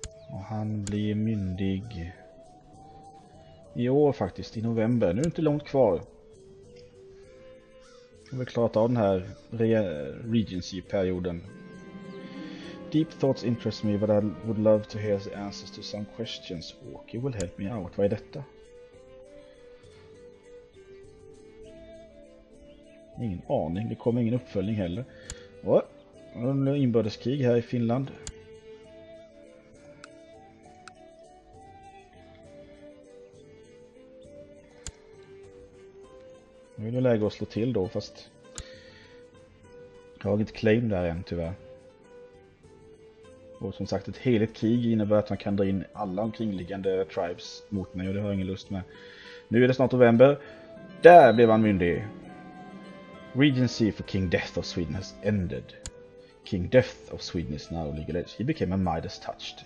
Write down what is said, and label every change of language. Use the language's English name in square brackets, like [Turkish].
[Swedish] Och han blir myndig. I år faktiskt, i november. Nu är det inte långt kvar. Vi har klarat av den här Regency-perioden. [English] Deep thoughts interest me, but I would love to hear the answers to some questions. Walkie will help me out. [Swedish] Vad är detta? Ingen aning. Det kommer ingen uppföljning heller. Nu är det inbördeskrig här i Finland. är det läge att slå till då, fast jag har inget claim där än tyvärr. Och som sagt, ett heligt krig innebär att man kan dra in alla omkringliggande tribes mot mig, och det har jag ingen lust med. Nu är det snart november. Där blev han myndig. [English] Regency for King Death of Sweden has ended. King Death of Sweden is now legal age. He became a Midas touched.